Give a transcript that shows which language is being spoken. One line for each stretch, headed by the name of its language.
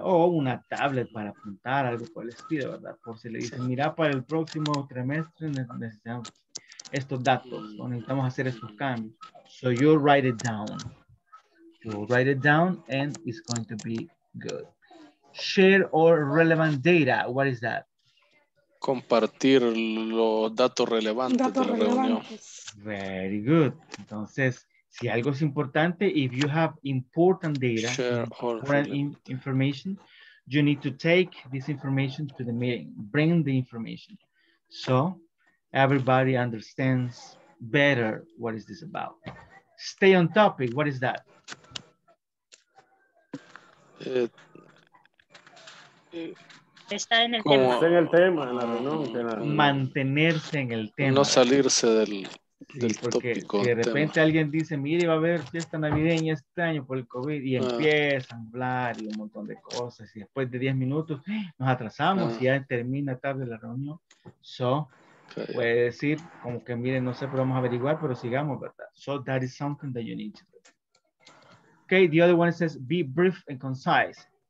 Spanish: O una tablet para apuntar, algo por el estilo, ¿verdad? Por si le dicen, mira, para el próximo trimestre necesitamos estos datos. O necesitamos hacer estos cambios.
English: So you write it down. You write it down and it's going to be good. Share all relevant data. What is that?
Spanish: Compartir los datos relevantes de la reunión.
English: Very good.
Spanish: Entonces, si algo es importante,
English: if you have important data, important information, you need to take this information to the meeting. Bring the information. So, everybody understands better what is this about. Stay on topic. What is that?
Spanish: Estar en el tema. Estar en el tema, en la reunión. Mantenerse en el tema. No salirse del porque tópico. Si de repente tema. Alguien dice, mire, va a haber fiesta navideña este año por el COVID, y empiezan a hablar y un montón de cosas, y después de 10 minutos nos atrasamos y ya termina tarde la reunión. So, puede decir, como que mire, no sé, pero vamos a averiguar, pero sigamos, ¿verdad?
English: So, that is something that you need to do. Okay, the other one says, be brief and concise.